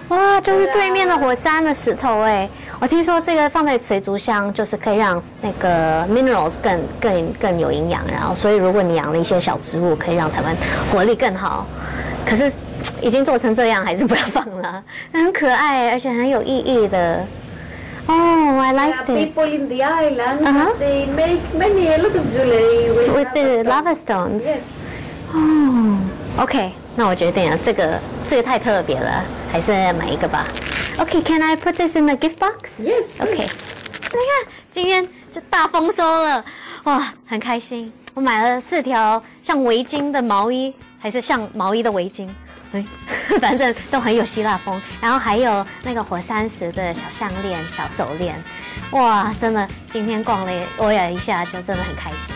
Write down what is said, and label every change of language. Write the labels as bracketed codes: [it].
[zh] 哇，就是对面的火山的石头哎。我听说这个放在水族箱就是可以让那个 minerals 更有营养，然后所以如果你养了一些小植物可以让它们活力更好，可是已经做成这样还是不要放了，很可爱而且很有意义的。 [en] Oh, I like this. People in the island, they make many a lot of jewelry with the lava stones. Yes. Oh, okay. [zh] 那我决定了，这个太特别了，还是买一个吧。 [en] Okay, can I put this in the gift box? Yes.、Sure. Okay. [zh] 你看，今天就大丰收了，哇，很开心。我买了四条像围巾的毛衣，还是像毛衣的围巾。反正都很有希腊风，然后还有那个火山石的小项链、小手链，哇，真的今天逛了我也一下就真的很开心。